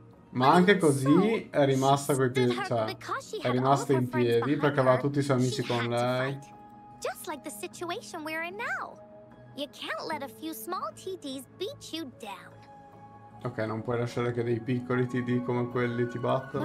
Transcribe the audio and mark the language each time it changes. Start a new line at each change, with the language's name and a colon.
Italian: Ma anche così è rimasta coi piedi, cioè, è rimasta in piedi perché aveva tutti i suoi amici con lei.
English: Just like the situation we're in now. You can't let a few small TDs beat you down.
Italian: Ok, non puoi lasciare che dei piccoli TD come quelli ti battano.